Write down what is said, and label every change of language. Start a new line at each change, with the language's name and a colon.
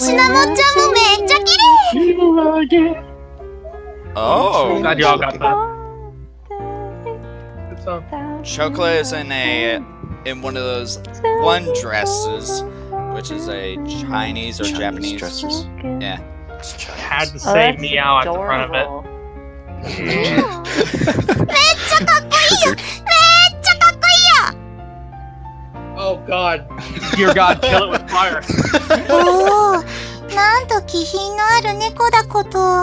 Japanese: シナモちゃんもめっちゃ綺麗。おお、何が分かった？
English: Chocolate is in one of those one dresses, which is a Chinese or Japanese dresses. Yeah. Had to say meow at the front of it.
Japanese: めっちゃかっこいいよ。めっちゃかっこいいよ。
English: Oh God! Dear God, kill it with fire.
Japanese: Oh, なんと気品のある猫だこと。